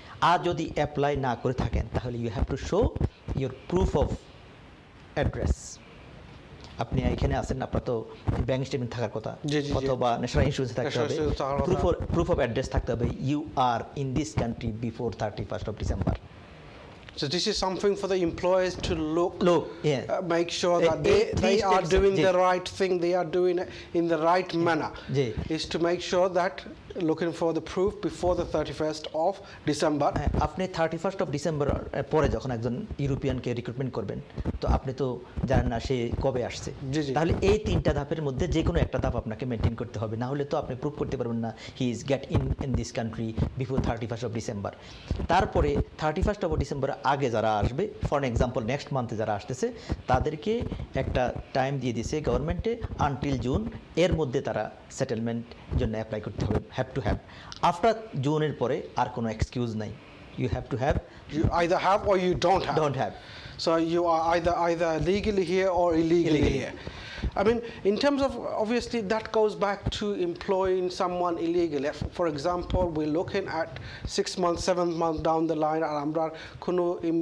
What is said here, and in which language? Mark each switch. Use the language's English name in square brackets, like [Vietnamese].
[Bangla] আর যদি অ্যাপ্লাই না করে থাকেন তাহলে [English] you have to show your proof of address, [Bangla] আপনি এখানে আসেন আপনার তো ব্যাংক স্টেটমেন্ট থাকার কথা, অথবা ন্যাশনাল ইন্স্যুরেন্স থাকতে হবে, প্রুফ অফ অ্যাড্রেস থাকতে হবে, [English] You are in this country before 31st of December. So this is something for the employers to look yeah. Make sure that they are doing the right thing, they are doing it in the right manner, is to make sure that looking for the proof before the 31st of December. [Bangla] আপনি 31st of December পরে যখন একজন European কে recruitment করবেন তো আপনি তো জানেন না সে কবে আসছে জি জি তাহলে এই তিনটা ধাপের মধ্যে যে কোনো একটা ধাপ আপনাকে মেইনটেইন করতে হবে না হলে তো আপনি প্রুফ করতে পারবেন না [English] he is get in in this country before [Bangla] 31st of December তারপরে 31st of December আগে যারা আসবে [English] for example [Bangla] নেক্সট মান্থে যারা আসতেছে তাদেরকে একটা টাইম দিয়ে দিয়েছে গভর্নমেন্টে আনটিল জুন এর মধ্যে তারা সেটেলমেন্ট জন্য অ্যাপ্লাই করতে হবে [English] have to have after June [Bangla] er pore ar kono excuse nai [English] you have to have you either have or you don't have don't have so you are either legally here or illegally here I mean in terms of obviously that goes back to employing someone illegally for example we're looking at 6 months 7 months down the line [Bangla] ar amra kono